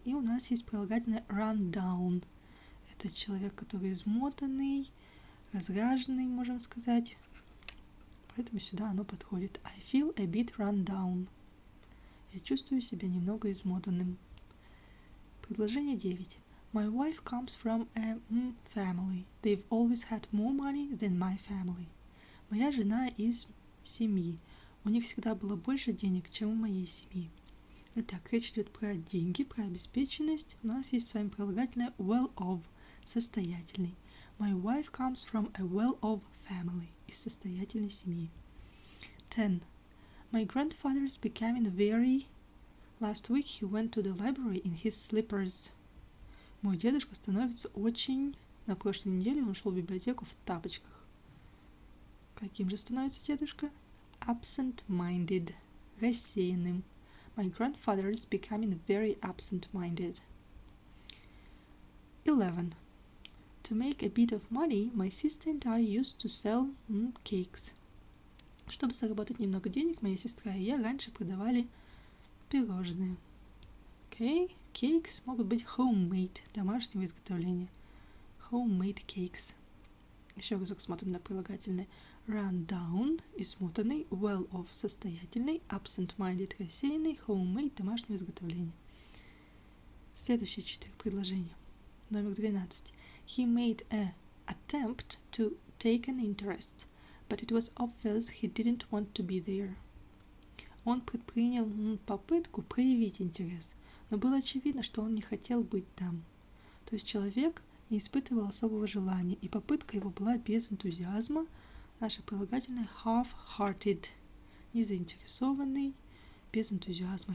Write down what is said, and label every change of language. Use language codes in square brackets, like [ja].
[ru] И у нас есть прилагательное run down. Это человек, который измотанный, разряженный, можем сказать. Поэтому сюда оно подходит. [en] I feel a bit run down. [ru] Я чувствую себя немного измотанным. Предложение 9. [en] My wife comes from a family. They've always had more money than my family. [ru] Моя жена из семьи. У них всегда было больше денег, чем у моей семьи. Итак, речь идет про деньги, про обеспеченность. У нас есть с вами прилагательное well of, состоятельный. [en] My wife comes from a well-off family. [ru] Из состоятельной семьи. [en] 10. My grandfather is becoming very... Last week he went to the library in his slippers. [ru] Мой дедушка становится очень... На прошлой неделе он шел в библиотеку в тапочках. Каким же становится дедушка? [en] Absent-minded. Рассеянным. My grandfather is becoming very absent-minded. 11. To make a bit of money, my sister and I used to sell cakes. [ru] Чтобы заработать немного денег, моя сестра и я раньше продавали пирожные. Okay, cakes могут быть homemade, домашнего изготовления. [en] Homemade cakes. [ru] Еще разок смотрим на прилагательное. Run down, измотанный, well off, состоятельный, absent-minded, рассеянный, homemade, домашнего изготовления. Следующие 4 предложения. Номер 12. [en] He made an attempt to take an interest, but it was obvious he didn't want to be there. [ru] Он предпринял попытку проявить интерес, но было очевидно, что он не хотел быть там. То есть человек не испытывал особого желания, и попытка его была без энтузиазма. Наше прилагательное half-hearted, незаинтересованный, без энтузиазма.